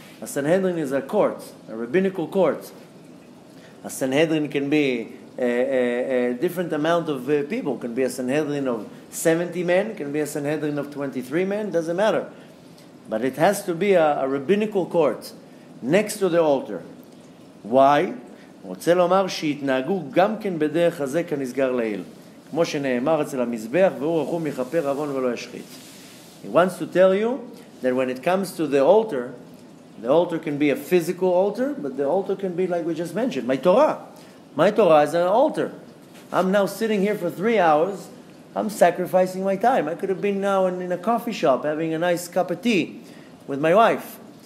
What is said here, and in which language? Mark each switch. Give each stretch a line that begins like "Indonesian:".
English: A Sanhedrin is a court, a rabbinical court. A Sanhedrin can be a different amount of people. It can be a Sanhedrin of 70 men, it can be a Sanhedrin of 23 men, doesn't matter. But it has to be a rabbinical court next to the altar. Why?
Hebrew: רוצה לומר שהתנהגו גם כן בדרך הזה כנסגר לעיל. כמו שנאמר אצל המזבח, והוא רחום יכפר עוון ולא ישחית.
English: He wants to tell you that when it comes to the altar can be a physical altar, but the altar can be like we just mentioned, my Torah. My Torah is an altar. I'm now sitting here for 3 hours. I'm sacrificing my time. I could have been now in a coffee shop having a nice cup of tea with my wife.